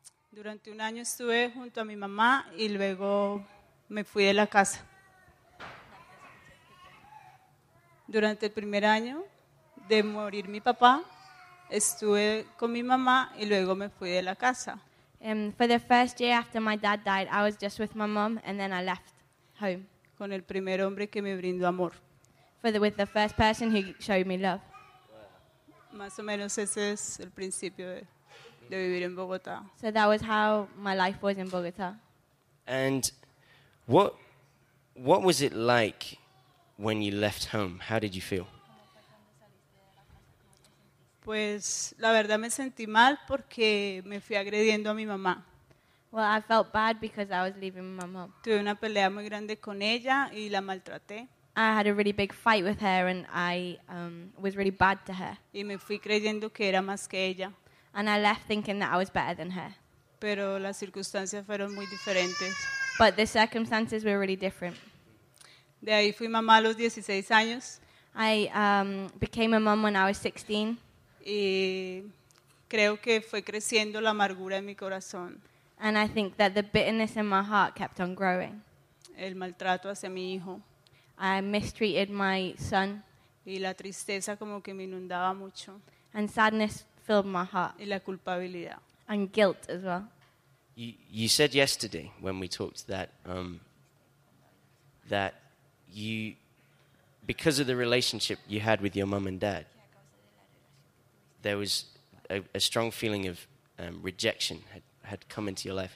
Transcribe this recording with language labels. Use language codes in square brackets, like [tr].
[es] Durante un año estuve junto a mi mamá y luego me fui de la casa. Durante el primer año de morir mi papá, estuve con mi mamá y luego me fui de la casa. [en] For the first year after my dad died, I was just with my mom and then I left home. [es] Con el primer hombre que me brindó amor. [en] With the first person who showed me love. [es] Más o menos ese es el principio de... De vivir en Bogotá. [en] So that was how my life was in Bogotá. And what was it like when you left home? How did you feel? [es] Pues la verdad me sentí mal porque me fui agrediendo a mi mamá. [en] Well, I felt bad because I was leaving my mom. [es] Tuve una pelea muy grande con ella y la maltraté. [en] I had a really big fight with her and I was really bad to her. [es] Y me fui creyendo que era más que ella. [en] And I left thinking that I was better than her. [es] Pero las circunstancias fueron muy diferentes. [en] But the circumstances were really different. [es] De ahí fui mamá a los 16 años. [en] I became a mom when I was 16. [es] Y creo que fue creciendo la amargura en mi corazón. [en] And I think that the bitterness in my heart kept on growing. [es] El maltrato hacia mi hijo. [en] I mistreated my son. [es] Y la tristeza como que me inundaba mucho. [en] And sadness filled my heart. [es] Y la culpabilidad. [en] And guilt as well. You said yesterday when we talked that that you, because of the relationship you had with your mom and dad, there was a strong feeling of rejection had come into your life.